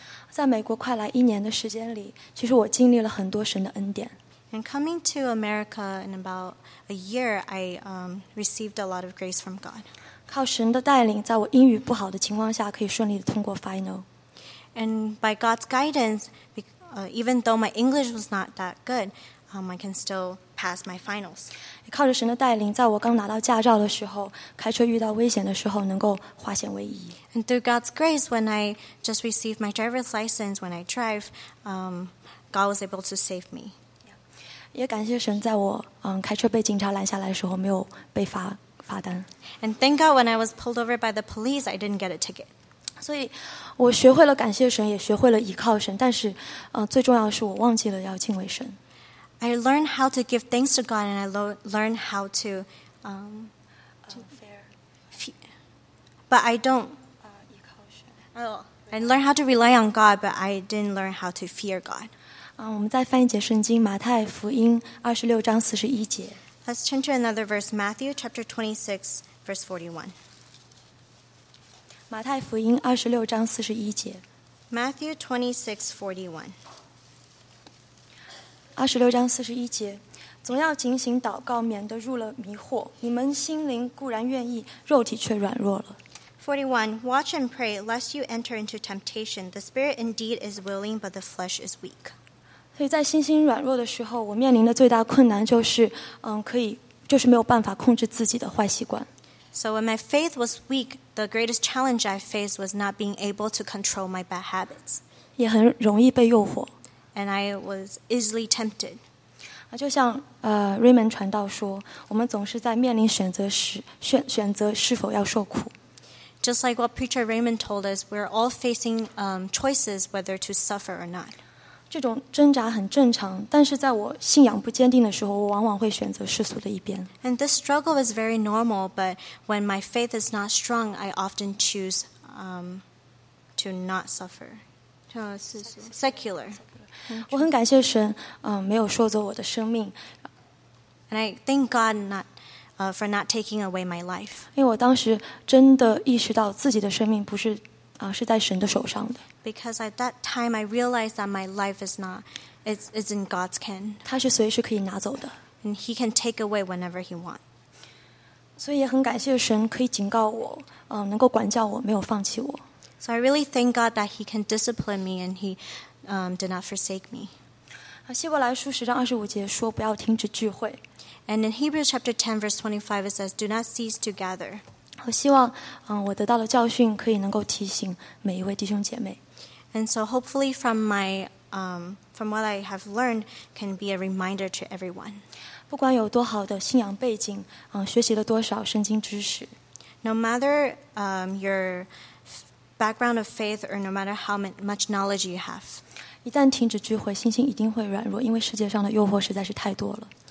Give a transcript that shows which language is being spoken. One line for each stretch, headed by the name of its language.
Chinese: 在美国快来一年的时间里，其实我经历了很多神的恩典。
English: And coming to America in about a year, I received a lot of grace from God.
Chinese: 靠神的带领，在我英语不好的情况下，可以顺利的通过 final.
English: And by God's guidance, even though my English was not that good, I can still pass my finals.
Chinese: 也靠着神的带领，在我刚拿到驾照的时候，开车遇到危险的时候，能够化险为夷。
English: And through God's grace, when I just received my driver's license, when I drive, God was able to save me.
Chinese: 也感谢神，在我开车被警察拦下来的时候，没有被罚单。
English: And thank God when I was pulled over by the police, I didn't get a ticket.
Chinese: 所以我学会了感谢神，也学会了依靠神，但是最重要的是我忘记了要敬畏神。
English: I learned how to give thanks to God, and I learned how to I learned how to rely on God, but I didn't learn how to fear God.
Chinese: 我们再翻一节圣经，马太福音二十六章四十一节。
English: Let's turn to another verse, Matthew chapter 26, verse 41.
Chinese: 马太福音二十六章四十一节。
English: Matthew 26:41.
Chinese: 二十六章四十一节，总要警醒祷告，免得入了迷惑。你们心灵固然愿意，肉体却软弱了。
English: 41. Watch and pray, lest you enter into temptation. The spirit indeed is willing, but the flesh is weak.
Chinese: 所以在心心软弱的时候，我面临的最大困难就是，没有办法控制自己的坏习惯。
English: So when my faith was weak, the greatest challenge I faced was not being able to control my bad habits.
Chinese: 也很容易被诱惑。
English: And I was easily tempted.
Chinese: 就像Raymond 传道说，我们总是在面临选择时选择是否要受苦。
English: Just like what preacher Raymond told us, we're all facing choices whether to suffer or not.
Chinese: 这种挣扎很正常，但是在我信仰不坚定的时候，我往往会选择世俗的一边。
English: And this struggle is very normal, but when my faith is not strong, I often choose to not suffer. Secular.
Chinese: 我很感谢神，没有收走我的生命。
English: And I thank God not, for not taking away my life.
Chinese: 因为我当时真的意识到自己的生命不是，是在神的手上的。
English: Because at that time I realized that my life is not, it's in God's hand.
Chinese: 他是随时可以拿走的。
English: And He can take away whenever He wants.
Chinese: 所以也很感谢神可以警告我，能够管教我，没有放弃我。
English: So I really thank God that He can discipline me and He did not forsake me.
Chinese: 希伯来书十章二十五节说不要停止聚会。
English: And in Hebrews chapter 10 verse 25 it says, do not cease to gather.
Chinese: 我希望我得到的教训可以能够提醒每一位弟兄姐妹。
English: And so hopefully from my, from what I have learned can be a reminder to everyone.
Chinese: 不管有多好的信仰背景学习了多少圣经知识。
English: No matter your background of faith or no matter how much knowledge you have.
Chinese: 一旦停止聚会信心一定会软弱因为世界上的诱惑实在是太多了。